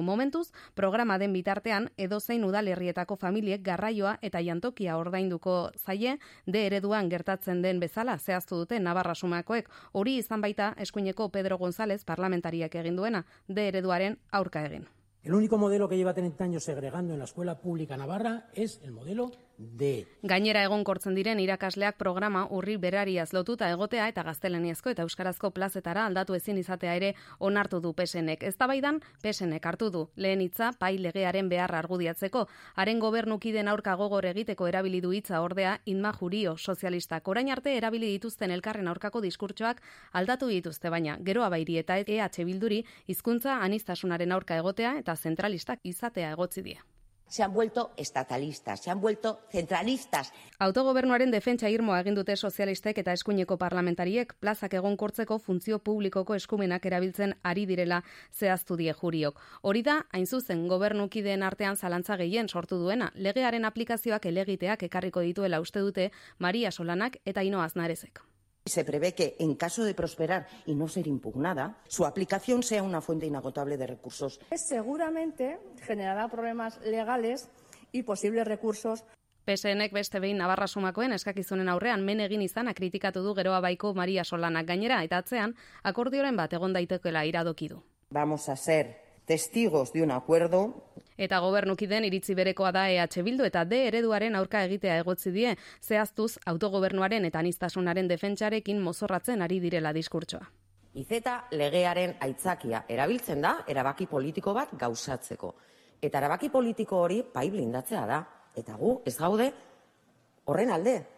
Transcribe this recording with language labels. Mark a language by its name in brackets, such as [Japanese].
[Basque] Momentuz, programa den bitartean edozein udalerrietako familiek garraioa eta jantokia ordainduko zaie D ereduan gertatzen den bezala zehaztu dute Navarra Sumakoek. Hori izan baita eskuineko Pedro González, parlamentariak egin duena, de ereduaren aurka egin. [Spanish] El único modelo que lleva 30 años segregando en la escuela pública Navarra es el modelo D. [Basque] Gainera egonkortzen diren irakasleak programa urri berariaz lotuta egotea eta gaztelaniazko eta euskarazko plazetara aldatu ezin izatea ere onartu du PSNek. Eztabaidan PSNek hartu du lehen hitza pai legearen beharra argudiatzeko, haren gobernukiden aurka gogor egiteko erabili du hitza ordea Inma Jurio sozialistak. Orain arte erabili dituzten elkarren aurkako diskurtsoak aldatu dituzte, baina Geroa Bairi eta EH Bilduri hizkuntza anistasunaren aurka egotea eta zentralistak izatea egotzi die. [Spanish] Se han vuelto estatalistas, se han vuelto centralistas. [Basque] Autogobernuaren defentsa irmoa egin dute sozialistek eta eskuineko parlamentariek plazak egonkortzeko funtzio publikoko eskumenak erabiltzen ari direla zehaztu die Juriok. Hori da, hain zuzen, gobernukideen artean zalantza gehien sortu duena, legearen aplikazioak elegiteak ekarriko dituela uste dute Maria Solanak eta Ino Aznarezek. [Spanish] Se prevé que en caso de prosperar y no ser impugnada, su aplicación sea una fuente inagotable de recursos. Seguramente generará problemas legales y posibles recursos. [Basque] PSNek beste behin Navarra Sumakoen eskakizunen aurrean men egin izana kritikatu du Geroa Baiko Maria Solanak. Gainera eta atzean akordioren bat egon daitekeela iradoki du. [Spanish] Vamos a ser testigos de un acuerdo. [Basque] Eta gobernukiden iritzi berekoa da EH Bildu eta D ereduaren aurka egitea egotzi die, zehaztuz autogobernuaren eta anistasunaren defentsarekin mozorratzen ari direla diskurtsoa. Izeta legearen aitzakia erabiltzen da erabaki politiko bat gauzatzeko. Eta erabaki politiko hori pai blindatzea da. Eta gu ez gaude horren alde.